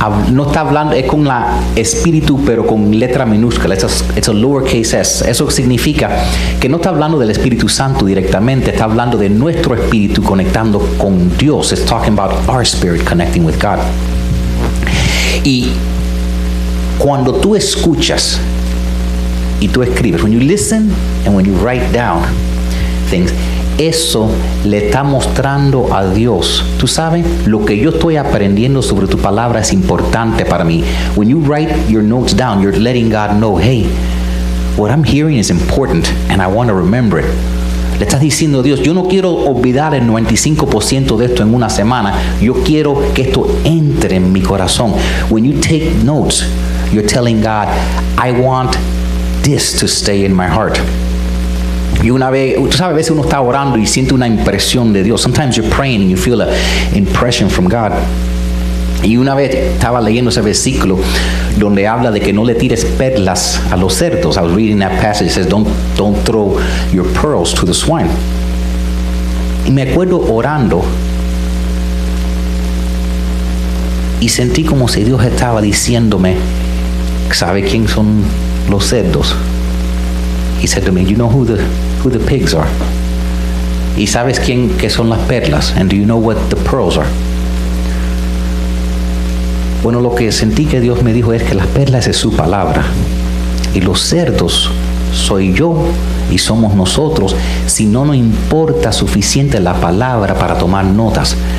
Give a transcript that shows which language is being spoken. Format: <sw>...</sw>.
<es>No está hablando, es con la espíritu, pero con letra minúscula.</es> <en>It's a lowercase s.</en> <es>Eso significa que no está hablando del Espíritu Santo directamente. Está hablando de nuestro espíritu conectando con Dios.</es> <en>It's talking about our spirit connecting with God.</en> <es>Y cuando tú escuchas y tú escribes,</es> <en>when you listen and when you write down things,</en> <es>eso le está mostrando a Dios. Tú sabes, lo que yo estoy aprendiendo sobre tu palabra es importante para mí.</es> <en>When you write your notes down, you're letting God know, hey, what I'm hearing is important and I want to remember it.</en> <es>Le estás diciendo a Dios, yo no quiero olvidar el 95% de esto en una semana. Yo quiero que esto entre en mi corazón.</es> <en>When you take notes, you're telling God, I want this to stay in my heart.</en> <es>Y una vez, tú sabes, a veces uno está orando y siente una impresión de Dios.</es> <en>Sometimes you're praying and you feel an impression from God.</en> <es>Y una vez estaba leyendo ese versículo donde habla de que no le tires perlas a los cerdos.</es> <en>I was reading that passage. It says, don't throw your pearls to the swine.</en> <es>Y me acuerdo orando y sentí como si Dios estaba diciéndome, ¿sabe quién son los cerdos?</es> <en>He said to me, you know who the pigs are?</en> <es>¿Y sabes quién que son las perlas?</es> <en>And do you know what the pearls are?</en> <es>Bueno, lo que sentí que Dios me dijo es que las perlas es su palabra. Y los cerdos soy yo y somos nosotros. Si no nos importa suficiente la palabra para tomar notas.</es>